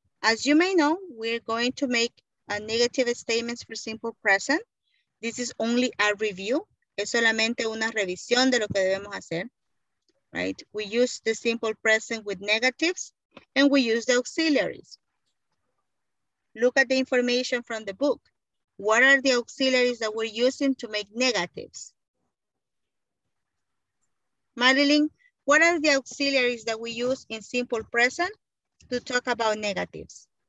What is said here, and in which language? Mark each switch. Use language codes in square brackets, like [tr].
[en] As you may know, we're going to make a negative statements for simple present. This is only a review. [es] Es solamente una revisión de lo que debemos hacer. [en] Right? We use the simple present with negatives and we use the auxiliaries. Look at the information from the book. What are the auxiliaries that we're using to make negatives? Marilyn, what are the auxiliaries that we use in simple present to talk about negatives?